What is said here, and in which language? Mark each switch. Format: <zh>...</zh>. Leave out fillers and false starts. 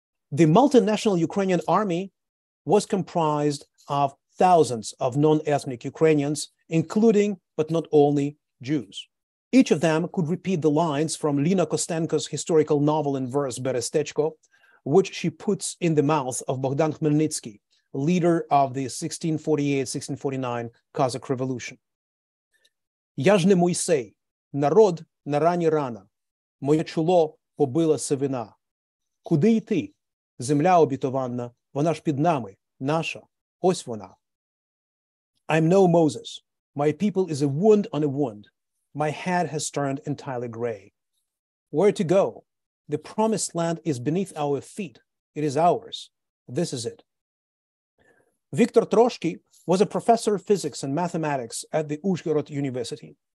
<en>The multinational Ukrainian army was comprised of thousands of non-ethnic Ukrainians, including, but not only, Jews. Each of them could repeat the lines from Lina Kostenko's historical novel in verse Berestechko, which she puts in the mouth of Bogdan Khmelnytsky, leader of the 1648-1649 Cossack Revolution.</en> <uk>Я ж не Мойсей, народ на рані рана, моє чоло побила сивина. Куди йти? Земля обітована, вона ж під нами, наша, ось вона.</uk> <en>I'm no Moses. My people is a wound on a wound. My head has turned entirely gray. Where to go? The promised land is beneath our feet. It is ours. This is it. Viktor Troshky was a professor of physics and mathematics at the Uzhgorod University.</en>